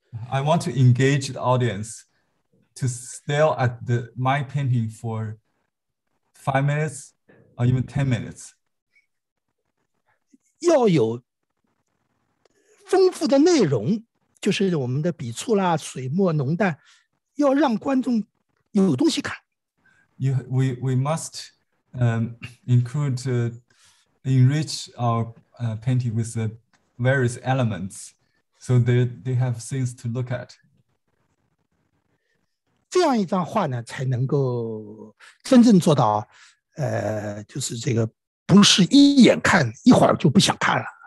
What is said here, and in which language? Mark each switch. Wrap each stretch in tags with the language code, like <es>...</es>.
<en>I want to engage the audience to stare at my painting for 5 minutes or even 10 minutes.</en> <zh>要有丰富的内容，就是我们的笔触啦，水墨浓淡，要让观众有东西看。</zh> <en>We must include enrich our painting with the various elements, so they have things to look at.</en> <zh>这样一张画呢，才能够真正做到，就是这个不是一眼看，一会儿就不想看了。</zh>